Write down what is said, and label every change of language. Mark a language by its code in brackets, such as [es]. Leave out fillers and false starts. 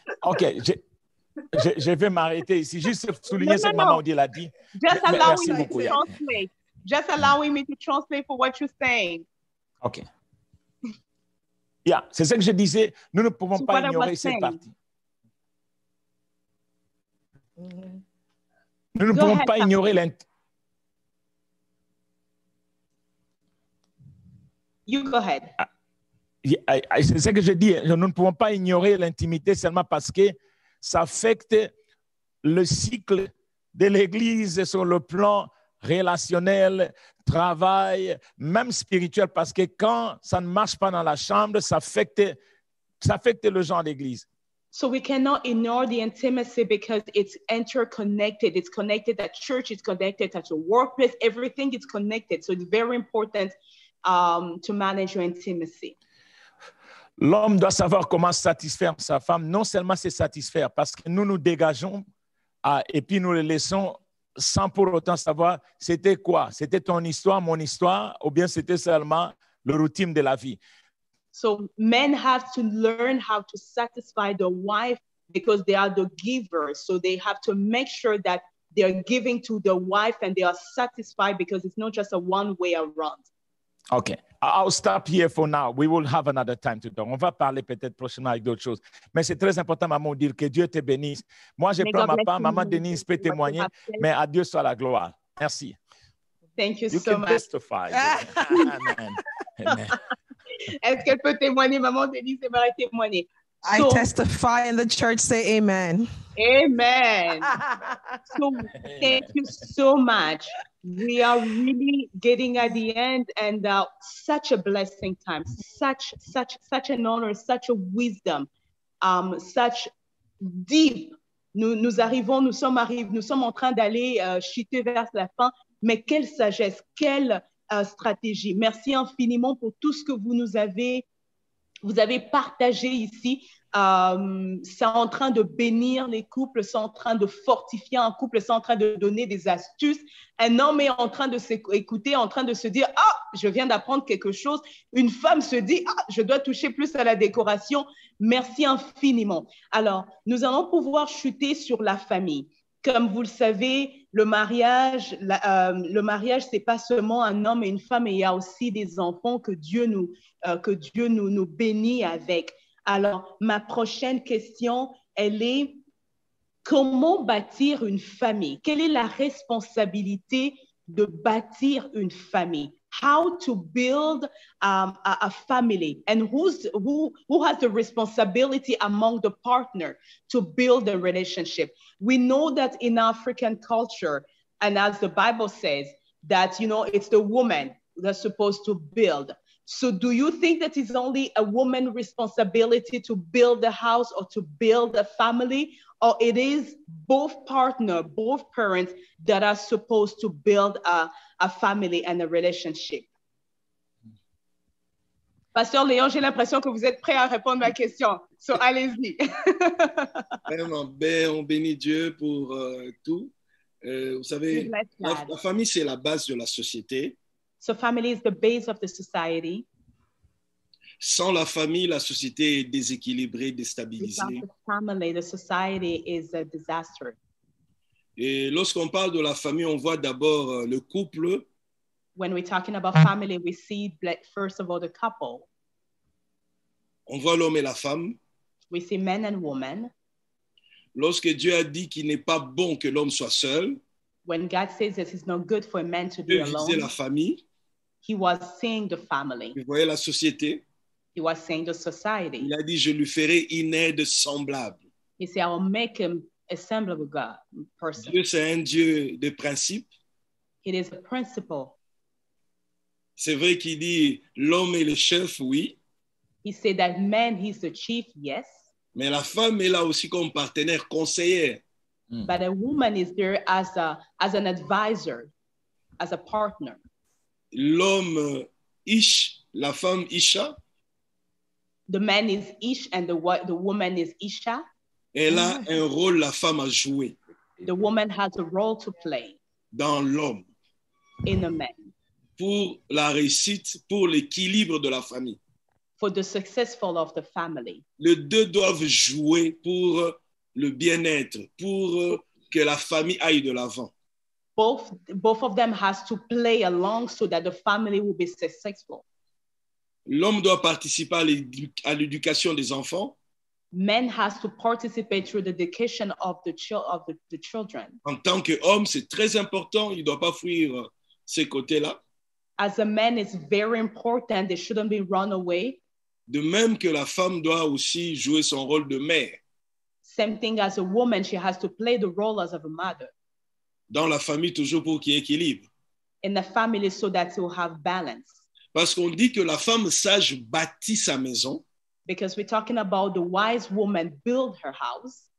[fr] Ok, je vais m'arrêter ici, juste souligner ce que Maman Odile a dit. [en] Just allowing me to translate. Just allowing me to translate for what you're saying. Ok. [fr] Yeah, c'est ce que je disais, nous ne pouvons pas ignorer cette partie. Nous ne pouvons pas ignorer [en] l'intimité. You go ahead. [fr] C'est ce que je dis, nous ne pouvons pas ignorer l'intimité seulement parce que ça affecte le cycle de l'Église sur le plan relationnel, travail, même spirituel, parce que quand ça ne marche pas dans la chambre, ça affecte le genre d'église. [en] So we cannot ignore the intimacy because it's interconnected. It's connected at church, it's connected at your workplace, everything is connected. So it's very important to manage your intimacy. [fr] L'homme doit savoir comment satisfaire sa femme, non seulement se satisfaire, parce que nous nous dégageons et puis nous les laissons sans pour autant savoir c'était quoi, c'était ton histoire, mon histoire, ou bien c'était seulement le routine de la vie. [en] So men have to learn how to satisfy their wife because they are the givers. So they have to make sure that they are giving to their wife and they are satisfied because it's not just a one way around. Okay, I'll stop here for now. We will have another time to talk. [fr] On va parler peut-être prochainement avec d'autres choses. Mais c'est très important, maman, de dire que Dieu te bénisse. Moi, je prends ma part. Maman Denise peut témoigner, mais à Dieu soit la gloire. Merci. [en] Thank you, you so much. You can testify. Amen. Amen. [fr] Est-ce qu'elle peut témoigner, maman Denise, aimerait témoigner? [en] So, I testify in the church, say amen. Amen. So, thank you so much. We are really getting at the end and such a blessing time, such an honor, such a wisdom, such deep. [fr] Nous sommes en train d'aller chuter vers la fin, mais quelle sagesse, quelle stratégie. Merci infiniment pour tout ce que vous avez partagé ici. C'est en train de bénir les couples, c'est en train de fortifier un couple, c'est en train de donner des astuces. Un homme est en train de s'écouter, en train de se dire « Ah, je viens d'apprendre quelque chose ». Une femme se dit « Ah, je dois toucher plus à la décoration ». Merci infiniment. Alors, nous allons pouvoir chuter sur la famille. Comme vous le savez, le mariage, c'est pas seulement un homme et une femme, mais il y a aussi des enfants que Dieu nous bénit avec. Alors, ma prochaine question, elle est comment bâtir une famille? Quelle est la responsabilité de bâtir une famille? [en] How to build a family? And who has the responsibility among the partner to build a relationship? We know that in African culture, and as the Bible says, that, you know, it's the woman that's supposed to build. So do you think that it's only a woman's responsibility to build a house or to build a family? Or it is both partner, both parents that are supposed to build a family and a relationship? [fr] Pasteur Léon, j'ai l'impression que vous êtes prêt à répondre à ma question. So allez-y. Ben, on bénit Dieu pour tout. Vous savez, la famille, c'est la base de la société. [en] So family is the base of the society. [fr] Sans la famille, la société est déséquilibrée, déstabilisée. [en] Without the family, the society is a disaster. [fr] Et lorsqu'on parle de la famille, on voit d'abord le couple. [en] When we're talking about family, we see first of all the couple. [fr] On voit l'homme et la femme. [en] We see men and women. [fr] Lorsque Dieu a dit qu'il n'est pas bon que l'homme soit seul. [en] When God says that it's not good for a man to [fr] Dieu [en] be alone, [fr] la famille, [en] he was seeing the family. [fr] Il voyait la société. [en] He was seeing the society. [fr] Il a dit, je lui ferai une aide semblable. [en] He said, I will make him a semblable God, person. [fr] Dieu, c'est un Dieu de principe. [en] It is a principle. [fr] C'est vrai qu'il dit, l'homme est le chef, oui. [en] He said that man, he's the chief, yes. [fr] Mais la femme est là aussi comme partenaire, conseillère. [en] But a woman is there as an advisor, as a partner. [fr] L'homme, la femme, Isha. [en] the man is Ish and the woman is Isha. [fr] Elle a un rôle, la femme, à jouer. [en] The woman has a role to play. [fr] Dans l'homme. [en] In a man. [fr] Pour la réussite, pour l'équilibre de la famille. [en] For the successful of the family. [fr] Les deux doivent jouer pour le bien-être, pour que la famille aille de l'avant. [en] Both of them has to play along so that the family will be successful. [fr] L'homme doit participer à l'éducation des enfants. [en] Men has to participate through the education of the children. [fr] En tant que homme, c'est très important. Il doit pas fuir ces côtés-là. [en] As a man, it's very important. They shouldn't be run away. [fr] De même que la femme doit aussi jouer son rôle de mère. [en] Same thing as a woman, she has to play the role as of a mother. [fr] Dans la famille, toujours pour qu'il y ait équilibre. [en] In the family, so that you have balance. [fr] Parce qu'on dit que la femme sage bâtit sa maison. [en] Because we're talking about the wise woman build her house.